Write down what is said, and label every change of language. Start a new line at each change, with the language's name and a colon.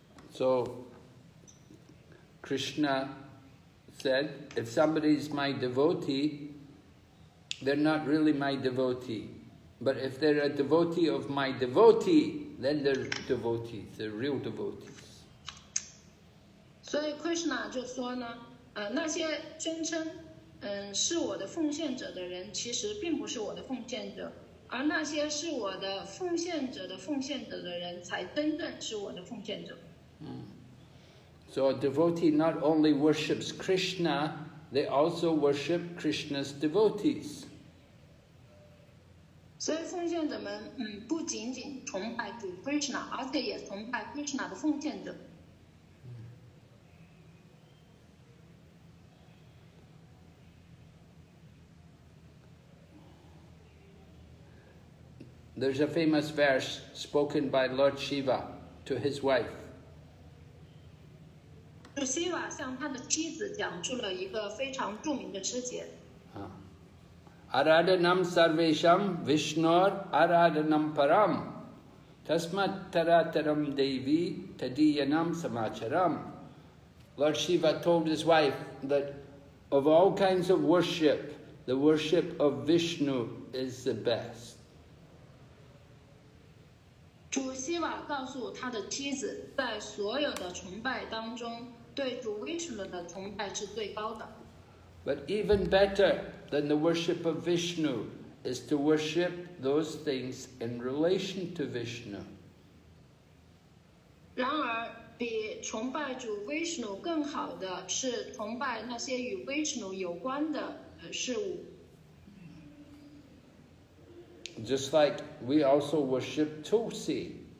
English: So, Krishna said, if somebody is my devotee, they're not really my devotee. But if they're a devotee of my devotee, then the devotees, the real devotees.
Chinese: 所以 Krishna 就说呢，那些宣称，是我的奉献者的人，其实并不是我的奉献者，而那些是我的奉献者的奉献者的人，才真正是我的奉献者。嗯。
English: So a devotee not only worships Krishna, they also worship Krishna's devotees.
Chinese: 所以奉献者们，不仅仅崇拜主 Krishna, 而且也崇拜 Krishna 的奉献者。
English: There's a famous verse spoken by Lord Shiva to his wife.
Chinese: Shiva 向他的妻子讲出了一个非常著名的诗节。
Sanskrit: Aradhanam sarvesham Vishnor aradhanam param tasmat tarataram devi tadiyanam samacharam.
English: Lord Shiva told his wife that of all kinds of worship, the worship of Vishnu is the best.
Chinese: 主希瓦告诉他的妻子，在所有的崇拜当中，对主维什纳的崇拜是最高的。
English: But even better than the worship of Vishnu is to worship those things in relation to Vishnu.
Chinese: 然而，比崇拜主维什纳更好的是崇拜那些与维什纳有关的事物。
English: Just like we also worship Tulsi.